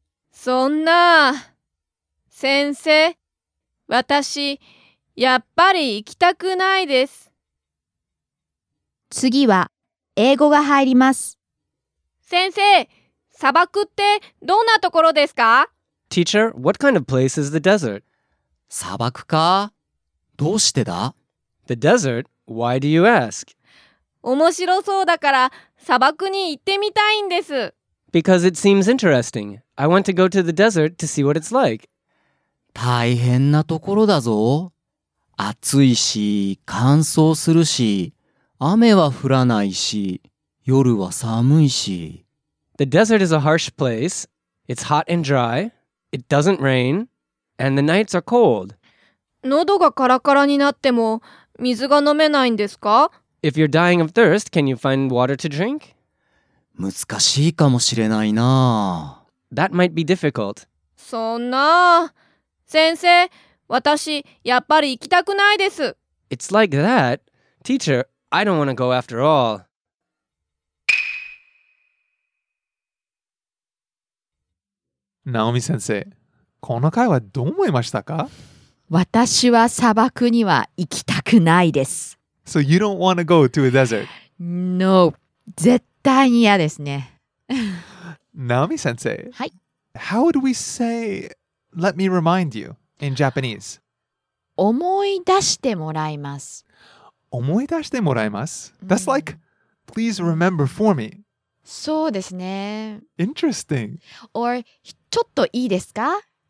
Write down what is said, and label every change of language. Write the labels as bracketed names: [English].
[Japanese] そんな、先生、私、やっぱり行きたくないです。次は、英語が入ります。先生、砂漠ってどんなところですか？ [English] Teacher, what kind of place is the desert? [Japanese] 砂漠か？どうしてだ？ [English] The desert? Why do you ask? [Japanese] 面白そうだから砂漠に行ってみたいんです。 [English] Because it seems interesting. I want to go to the desert to see what it's like. [Japanese] 大変なところだぞ。暑いし、乾燥するし、雨は降らないし、夜は寒いし。 [English] The desert is a harsh place. It's hot and dry. It doesn't rain. And the nights are cold. [Japanese] 喉がカラカラになっても水が飲めないんですか？ [English] If you're dying of thirst, can you find water to drink? [Japanese] 難しいかもしれないな。 [English] That might be difficult. [Japanese] そんな。先生、私やっぱり行きたくないです。 [English] It's like that. Teacher, I don't want to go after all. Naomi-sensei, [Japanese] この会話どう思いましたか？私は砂漠には行きたくないです。 [English] So you don't want to go to a desert? [Japanese] No, 絶対に嫌ですね。 Naomi 先生、はい。 [English] How would we say, let me remind you in Japanese? [Japanese] 思い出してもらいます。思い出してもらいます。 [English] That's like, please remember for me. [Japanese] そうですね。 [English] Interesting. [Japanese] Or, ちょっといいですか?